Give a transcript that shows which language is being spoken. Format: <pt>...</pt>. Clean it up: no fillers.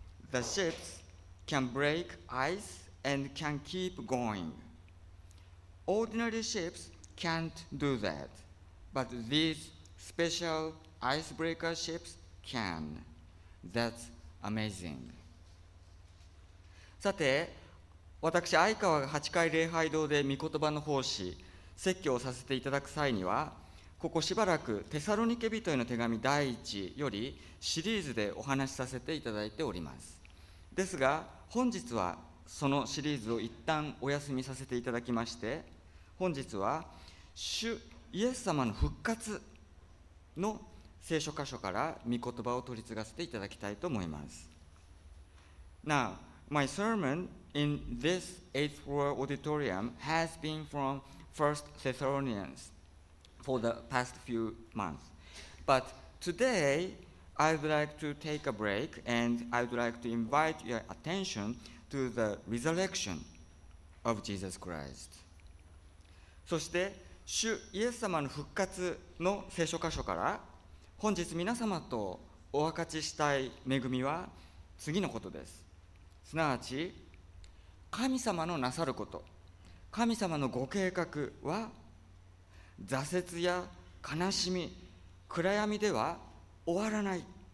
<en>The ships can break ice and can keep going. Ordinary ships can't do that, but these special icebreaker ships can. That's amazing.</en> <ja>さて、私、相川が8回礼拝堂で御言葉の奉仕、説教をさせていただく際には、ここしばらくテサロニケ人への手紙第1よりシリーズでお話しさせていただいております。ですが、本日はそのシリーズを一旦お休みさせていただきまして、本日は主イエス様の復活の聖書箇所から御言葉を取り継がせていただきたいと思います。</ja> <en>Now, my sermon in this 8th floor auditorium has been from 1st Thessalonians for the past few months. But today, I would like to take a break and I would like to invite your attention to the resurrection of Jesus Christ.</en> <ja>そして主イエス様の復活の聖書箇所から本日皆様とお分かちしたい恵みは次のことです。すなわち神様のなさること、神様のご計画は挫折や悲しみ、暗闇では終わらない。</ja>